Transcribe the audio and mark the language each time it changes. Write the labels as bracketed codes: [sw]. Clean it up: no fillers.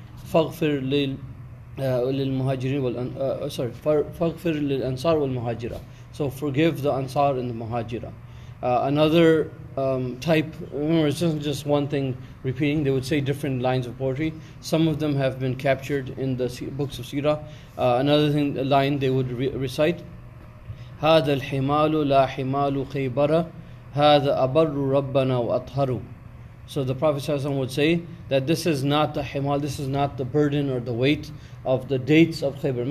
[ar] فَغْفِرْ لِلْمُهَاجِرِينَ فَغْفِرْ لِلْأَنصَارِ وَالْمُهَاجِرَةِ. [en] So forgive the Ansar and the Muhajira. Another type, remember it's not just one thing repeating, they would say different lines of poetry. Some of them have been captured in the books of Seerah. Another thing, a line they would recite, [ar] هَذَا الْحِمَالُ لَا حِمَالُ خَيْبَرَ هَذَا أَبَرُّ رَبَّنَا وَأَطْهَرُ. [en] So the Prophet ﷺ would say that this is not the himal, this is not the burden or the weight of the dates of Khaybar.